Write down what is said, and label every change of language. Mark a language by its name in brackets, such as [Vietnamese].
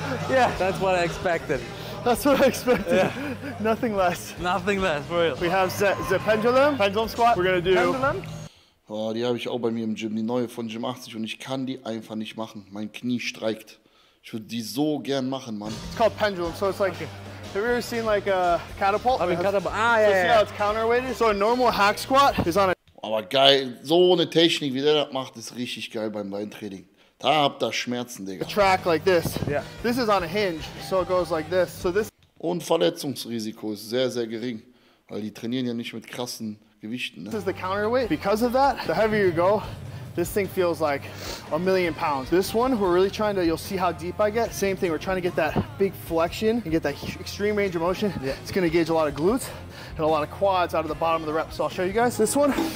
[English] Yeah, that's what I expected. That's what I expected. Yeah. Nothing less. Nothing less, for real. We have the pendulum squat. We're gonna do pendulum. [German] Oh, die habe ich auch bei mir im Gym, die neue von Gym 80 und ich kann die einfach nicht machen. Mein Knie streikt. Ich würde die so gern machen, Mann. [English] It's called pendulum, so it's like, have you ever seen like a catapult? I mean, catapult. Ah, so yeah. So see how it's counterweighted? So a normal hack squat is on a... [German] Aber geil, so eine Technik, wie der das macht, ist richtig geil beim Beintraining. Da habt ihr Schmerzen, Digga. [English] A track like this. Yeah. This is on a hinge, so it goes like this. So this... [German] Und Verletzungsrisiko ist sehr, sehr gering, weil die trainieren ja nicht mit krassen... [English] This is the counterweight. Because of that, the heavier you go, this thing feels like a million pounds. This one, we're really trying to, you'll see how deep I get. Same thing, we're trying to get that big flexion and get that extreme range of motion. Yeah. It's gonna gauge a lot of glutes and a lot of quads out of the bottom of the rep. So I'll show you guys this one.